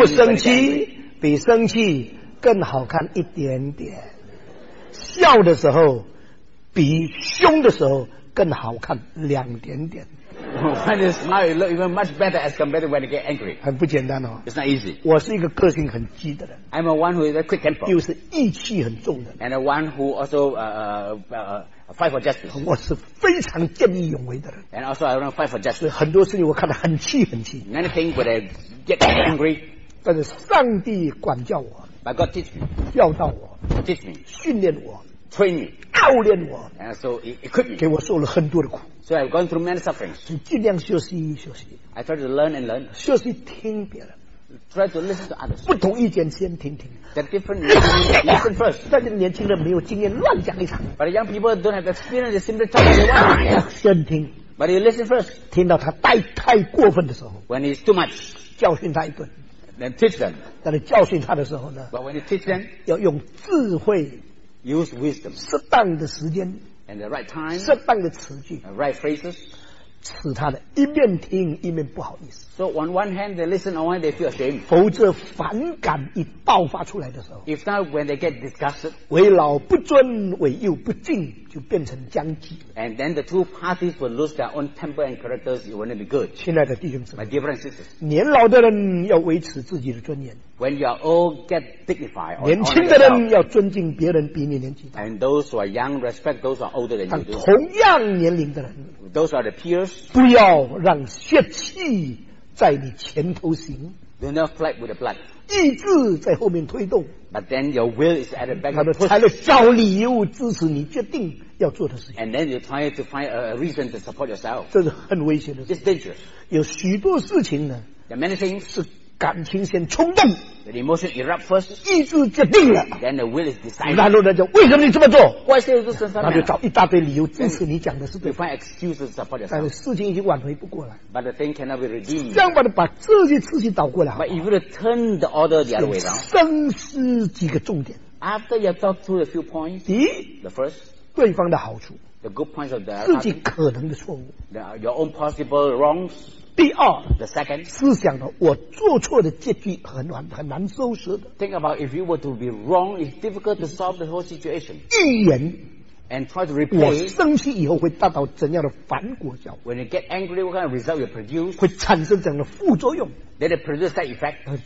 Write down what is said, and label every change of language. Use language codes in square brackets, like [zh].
[zh] 不生气比生气更好看一点点笑的时候比凶的时候更好看两点点 [en] When you smile, you look even much better as compared to when you get angry. [zh] 很不简单哦。 [en] It's not easy. [zh] 我是一个个性很急的人。 [en] I'm a one who is a quick temper. [zh] 又是意气很重的。 [en] And a one who also fight for justice. [zh] 我是非常见义勇为的人。 [en] And also I want to fight for justice. [zh] 很多事情我看得很气很气。 [en] Many things when I get angry. [zh] 但是上帝管教我。 [en] But God teach me. [zh] 教导我。 [en] Teach me. [zh] 训练我。 [en] Train me. [zh] 教练我。 [en] And so it could be. [zh] 给我受了很多的苦。 [en] So I've gone through many sufferings. [zh] 尽量学习学习。 [en] I try to learn and learn. [zh] 学习听别人。 [en] Try to listen to others. [zh] 不同意见先听听。 [en] The different listen first. [zh] 但是年轻人没有经验，乱讲一场。 [en] But young people don't have experience. They simply talk and they want. [zh] 先听。 [en] But you listen first. [zh] 听到他带太过分的时候。 [en] When it's too much. [zh] 教训他一顿。 [en] Then teach them. [zh] 但是教训他的时候呢 [en] ？But when you teach them, [zh] 要用智慧。 [en] Use wisdom. [zh] 适当的时间。 [en] And the right time, [zh] 适当的词句 [en] the right phrases, [zh] 使他的一面听一面不好意思 [en] So on one hand they listen on one hand they feel ashamed [zh] 否则反感一爆发出来的时候 [en] If not when they get disgusted [zh] 为老不尊为幼不敬就变成僵局 [en] And then the two parties will lose their own temper and characters it wouldn't be good [zh] 亲爱的弟兄姊妹 [en] My dear brothers and sisters [zh] 年老的人要维持自己的尊严 [en] When you are old, get dignified. [zh] 年轻的人要尊敬别人比你年纪大。 [en] And those who are young, respect those who are older than you. [zh] 但同样年龄的人 [en] ，those are the peers. [zh] 不要让血气在你前头行。 [en] Do not fight with the blood. [zh] 意志在后面推动。 [en] But then your will is at the back. [zh] 他的才的小理由支持你决定要做的事情。 [en] And then you try to find a reason to support yourself. [zh] 这是很危险的。 [en] It's dangerous. [zh] 有许多事情呢。 [en] There are many things. [zh] 是。感情先冲动 [en] the emotion erupt first, [zh] 意志决定了 [en] then the will is decided. [zh] 然后呢就为什么你这么做 [en] Why should you do something? [zh] 那就找一大堆理由支持你讲的是对 [en] You find excuses to support yourself. [zh] 但是事情已经挽回不过来 [en] But the thing cannot be redeemed. [zh] 这样把这些事情倒过来 [en] But if you turn the order the other way around, [zh] 深思几个重点 [en] After you talk through a few points, [zh] 第一 [en] the first, [zh] 对方的好处 [en] the good points of the [zh] other 自己可能的错误 [en] your own possible wrongs, [zh] 第二 [en] the second, [zh] 思想的我做错的结局 很难收拾的 [en] Think about if you were to be wrong It's difficult to solve the whole situation [zh] 预言 [en] And try to repay [zh] 我生气以后会达到怎样的反果效 [en] When you get angry What kind of result you produce [zh] 会产生怎样的副作用 [en] Then it produce that effect